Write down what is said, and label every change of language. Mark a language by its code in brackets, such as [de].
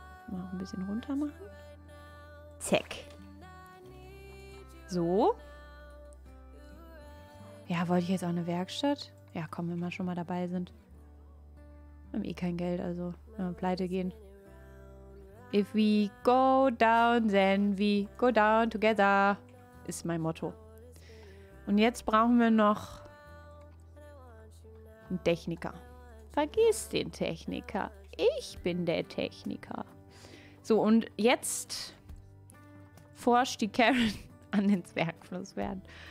[de] Mal ein bisschen runter machen. Zack. So. Ja, wollte ich jetzt auch eine Werkstatt? Ja, komm, wenn wir schon mal dabei sind. Wir haben eh kein Geld, also wenn wir pleite gehen. [en] If we go down, then we go down together. [de] Ist mein Motto. Und jetzt brauchen wir noch einen Techniker. Vergiss den Techniker. Ich bin der Techniker. So, und jetzt forscht die Karen an den Zwergfluss werden.